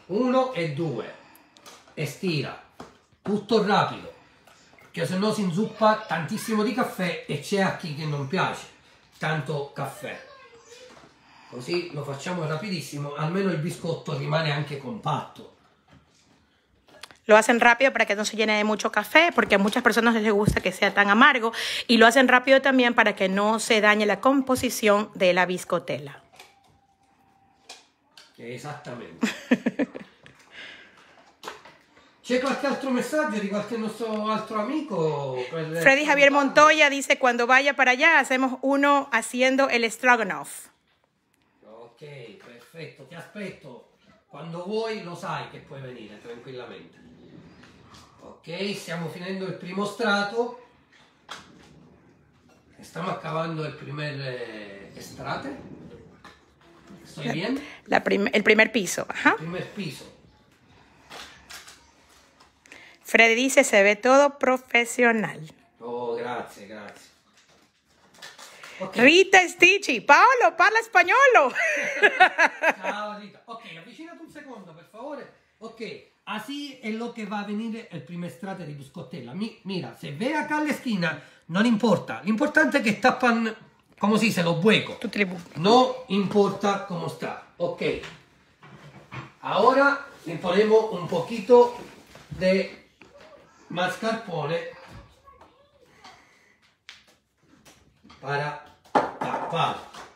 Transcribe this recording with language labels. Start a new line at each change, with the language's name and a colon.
Italian: 1 e 2. E stira. Tutto rapido. Che se no si inzuppa tantissimo di caffè e c'è a chi che non piace tanto caffè. Così lo facciamo rapidissimo, almeno il biscotto rimane anche compatto.
Spanish: Lo hacen rápido para que no se llene de mucho café, porque a muchas personas les gusta que sea tan amargo. Y lo hacen rápido también para que no se dañe la composición de la biscotela. Exactamente.
Italian: ¿C'è qualche altro messaggio di qualche nostro altro
Spanish: amigo? Freddy Javier Montoya dice, cuando vaya para allá, hacemos uno haciendo el stroganoff.
Italian: Ok,
Spanish: perfecto.
Italian: Te aspetto.
Spanish: Cuando
Italian: vuoi, lo sai
Spanish: que
Italian: puoi venire tranquillamente. Ok, stiamo finendo il primo strato. Stiamo
Spanish: acabando il primer
Italian: strato.
Spanish: Estoy bien?
Italian: Il
Spanish: primer piso. Ajá. El primer piso. Freddy dice, se ve todo profesional.
Italian: Oh, grazie, grazie. Okay. Rita Stichi, Paolo, parla spagnolo. Ciao Rita. Ok, avvicinati un secondo, per favore. Ok.
Spanish: Así es lo que va a venir el primer
Italian: strato
Spanish: de biscottella. Mira, se ve acá la esquina, no importa. Lo importante es que tapan, como si se los huecos. No importa cómo está. Ok. Ahora le ponemos un poquito de mascarpone para tapar.